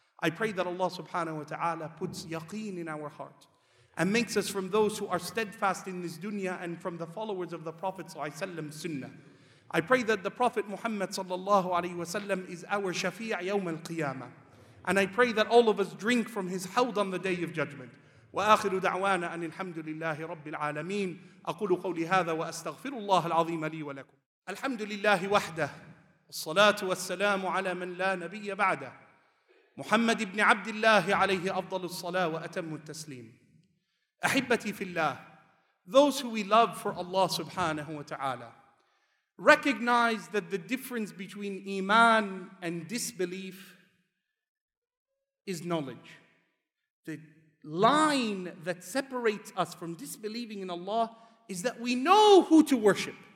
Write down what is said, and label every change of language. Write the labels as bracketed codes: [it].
[en] I pray that Allah subhanahu wa ta'ala puts yaqeen in our heart and makes us from those who are steadfast in this dunya and from the followers of the Prophet sallallahu alayhi wa sallam sunnah. I pray that the Prophet Muhammad sallallahu alayhi wa sallam is our shafi'a yawm al-qiyamah. And I pray that all of us drink from his hawd on the day of judgment. [ar] وآخر دعوانا أن الحمد لله رب العالمين أقول قولي هذا وأستغفر الله العظيم لي ولكم. الحمد لله وحده والصلاة والسلام على من لا نبي بعده محمد بن عبد الله عليه أفضل الصلاة وأتم التسليم. أحبتي في الله, [en] those who we love for Allah subhanahu wa ta'ala, recognize that the difference between iman and disbelief is knowledge. The line that separates us from disbelieving in Allah is that we know who to worship.